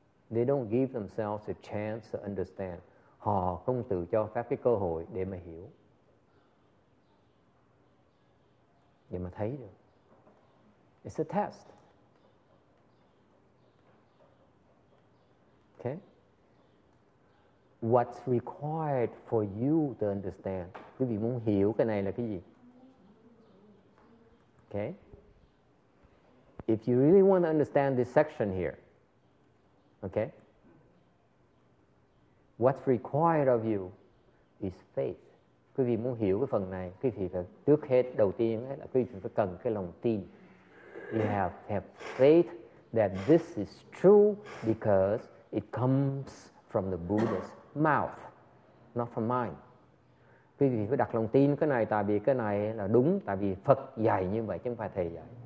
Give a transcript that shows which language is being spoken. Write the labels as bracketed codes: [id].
[en] They don't give themselves a chance to understand. [vi] Họ không tự cho phép cái cơ hội để mà hiểu. Để mà thấy được. [en] It's a test. Okay? What's required for you to understand? [vi] Quý vị muốn hiểu cái này là cái gì? [en] Okay? If you really want to understand this section here, okay? What's required of you is faith. [vi] Quý vị muốn hiểu cái phần này, quý vị phải trước hết, đầu tiên ấy, là quý vị phải cần cái lòng tin. [en] You have faith that this is true because it comes from the Buddha's mouth. not from mine. [vi] Quý vị phải đặt lòng tin cái này, tại vì cái này là đúng, tại vì Phật dạy như vậy chứ không phải thầy dạy.